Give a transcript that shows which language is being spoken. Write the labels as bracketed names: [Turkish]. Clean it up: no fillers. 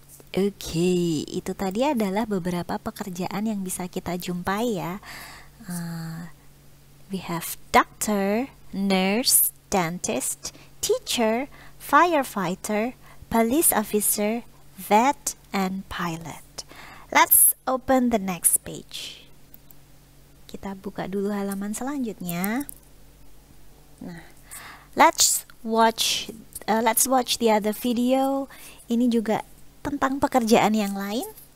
[Indonesian] Okay, itu tadi adalah beberapa pekerjaan yang bisa kita jumpai ya. [English] We have doctor, nurse, dentist, teacher, firefighter, police officer, vet, and pilot. Let's open the next page. [Indonesian] Kita buka dulu halaman selanjutnya. Nah, [English] let's watch the other video. [Indonesian] Ini juga tentang pekerjaan yang lain.